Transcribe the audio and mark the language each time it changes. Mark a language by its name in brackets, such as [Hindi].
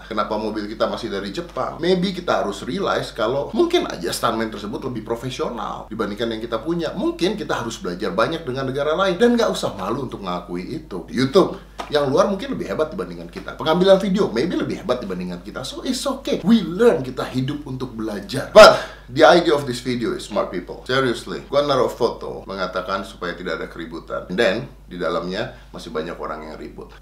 [Indonesian] Kenapa mobil kita masih dari Jepang? Maybe kita harus realize kalau mungkin aja stuntman tersebut lebih profesional dibandingkan yang kita punya. Mungkin kita harus belajar banyak dengan negara lain, dan nggak usah malu untuk mengakui itu. YouTube yang luar mungkin lebih hebat dibandingkan kita. Pengambilan video maybe lebih hebat dibandingkan kita. [English] So it's okay. We learn, [Indonesian] kita hidup untuk belajar. [English] But the idea of this video is smart people. [Indonesian] Seriously, gua naruh foto mengatakan supaya tidak ada keributan. And then di dalamnya masih banyak orang yang ribut.